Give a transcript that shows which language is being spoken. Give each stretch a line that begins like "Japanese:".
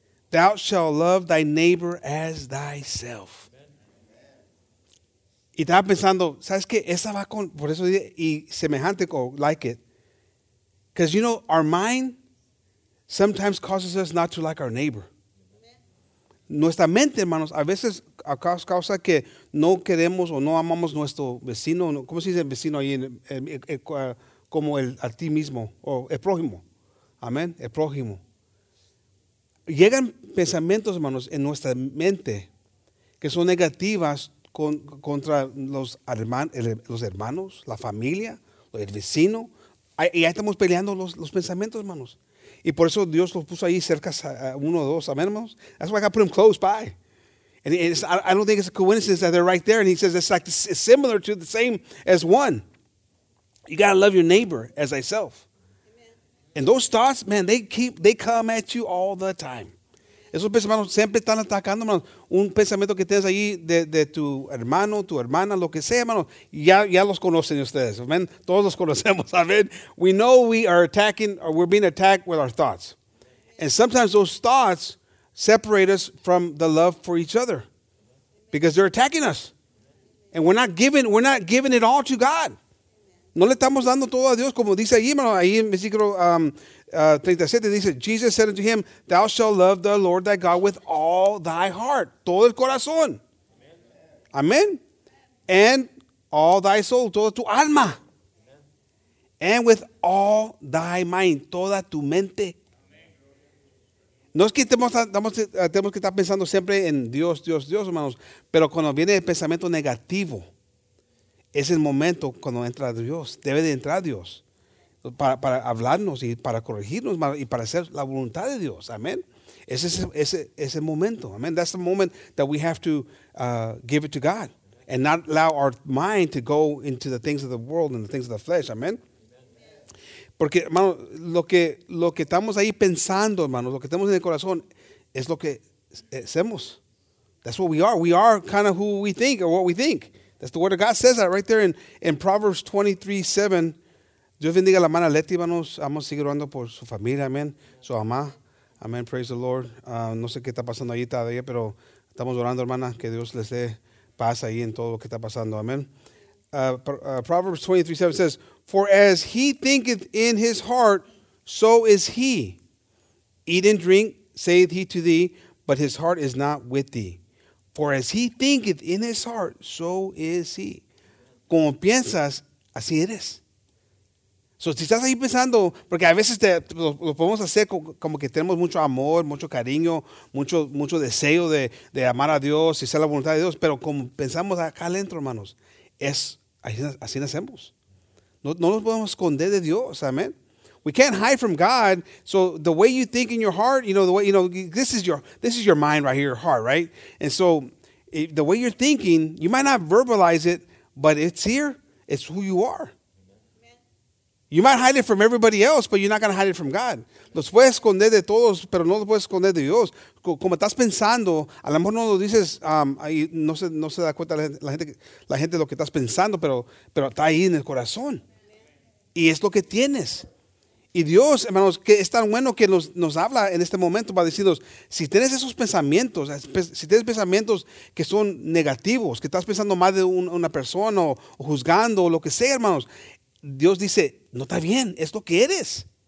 English: Thou shalt love thy neighbor as thyself.
Spanish: Amen. Y estaba pensando, ¿sabes qué? Esa va con, por eso dice, y semejante, o
English: like it. Because, you know, our mind sometimes causes us not to like our neighbor. Amen.
Spanish: Nuestra mente, hermanos, a veces causa que no queremos o no amamos nuestro vecino. ¿Cómo se dice vecino ahí en como el a ti mismo, o el prójimo. Amén, el prójimo. Llegan pensamientos, hermanos, en nuestra mente que son negativas contra los hermanos, la familia, el vecino. Y ahí estamos peleando los pensamientos, hermanos. Y por eso Dios los puso ahí cerca, uno o dos. Amén, hermanos.
English: That's why I got to put them close by. And I don't think it's a coincidence that they're right there. And he says it's similar to the same as one. You got to love your neighbor as thyself. Amen. And those thoughts, man, they come at you all the time.
Spanish: Esos pensamientos siempre están atacando, hermano. Un pensamiento que tienes ahí de tu hermano, tu hermana, lo que sea, hermano, ya los conocen ustedes. Amen. Todos los conocemos. Amen.
English: We know we are attacking or we're being attacked with our thoughts. And sometimes those thoughts separate us from the love for each other because they're attacking us. And we're not giving it all to God.
Spanish: No le estamos dando todo a Dios, como dice ahí, hermano, ahí en versículo 37, dice,
English: Jesus said unto him, thou shalt love the Lord thy God with all thy heart,
Spanish: todo el corazón. Amen.
English: And all thy soul,
Spanish: toda tu alma.
English: Amen. And with all thy mind,
Spanish: toda tu mente. No es que tenemos que estar pensando siempre en Dios, Dios, Dios, hermanos, pero cuando viene el pensamiento negativo, es el momento cuando entra Dios. Debe de entrar Dios para hablarnos y para corregirnos y para hacer la voluntad de Dios. Amén. Ese momento. Amén.
English: That's the moment that we have to give it to God and not allow our mind to go into the things of the world and the things of the flesh. Amén. Porque, hermano, lo que estamos ahí pensando, hermano, lo que tenemos en el corazón es lo que hacemos. That's what we are. We are kind of who we think or what we think. That's the word of God says that right there in Proverbs 23:7.
Spanish: Dios bendiga la mano a Leti, hermanos. Vamos a seguir orando por su familia, amén. Su mamá, amén.
English: Praise the Lord.
Spanish: No sé qué está pasando ahí todavía, pero estamos orando, hermana, que Dios les dé paz ahí en todo lo que está pasando, amén.
English: Proverbs 23:7 says, for as he thinketh in his heart, so is he. Eat and drink, saith he to thee, but his heart is not with thee. For as he thinketh in his heart, so is he.
Spanish: Como piensas, así eres. So, si estás ahí pensando, porque a veces lo podemos hacer como que tenemos mucho amor, mucho cariño, mucho deseo de amar a Dios y ser la voluntad de Dios, pero como pensamos acá adentro, hermanos, es así nacemos. No nos podemos esconder de Dios, amén.
English: We can't hide from God. So the way you think in your heart, you know, the way, you know, this is your mind right here, your heart, right? And so the way you're thinking, you might not verbalize it, but it's here. It's who you are. Amen. You might hide it from everybody else, but you're not going to hide it from God.
Spanish: Los puedes esconder de todos, pero no los puedes esconder de Dios. Como estás pensando, a lo mejor no lo dices, no se da cuenta la gente lo que estás pensando, pero está ahí en el corazón. Amen. Y es lo que tienes. Y Dios, hermanos, que es tan bueno que nos habla en este momento para decirnos, si tienes esos pensamientos, si tienes pensamientos que son negativos, que estás pensando mal de una persona o juzgando o lo que sea, hermanos, Dios dice, no está bien, es lo que eres.